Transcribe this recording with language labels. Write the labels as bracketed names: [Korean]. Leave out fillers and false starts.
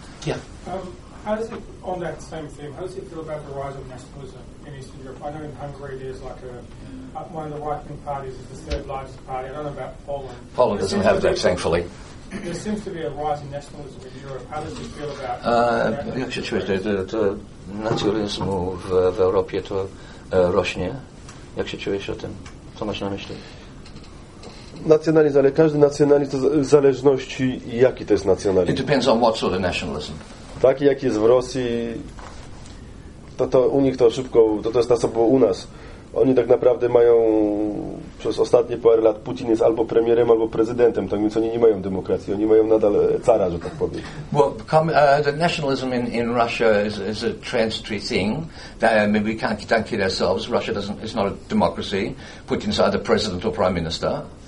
[English] Yeah. How does it, on that same theme, how does it feel about the rise of nationalism in Eastern Europe? I know in Hungary there's like one of the right wing parties is the third largest party. I don't know about Poland. Poland doesn't have that, thankfully. There seems to be a rise in nationalism in Europe. How does it feel about? [Polish] Jak się czuje, to nacjonalizm w Europie to rośnie. Jak się czuje się o tym? Co masz na myśli? Nacjonalizm, ale każdy nacjonalizm to w zależności, jaki to jest nacjonalizm. [English] It depends on what sort of nationalism. [Polish] Taki, jaki jest w Rosji, to u nich to szybko, to jest to, co było u nas. Oni tak naprawdę mają przez ostatnie parę lat Putin jest albo premierem, albo prezydentem, tak więc oni nie mają demokracji, oni mają nadal cara, że tak powiem. [English] Well, the nationalism in Russia is a transitory thing. We can't don't kid ourselves. Russia doesn't, it's not a democracy. Putin's either president or prime minister.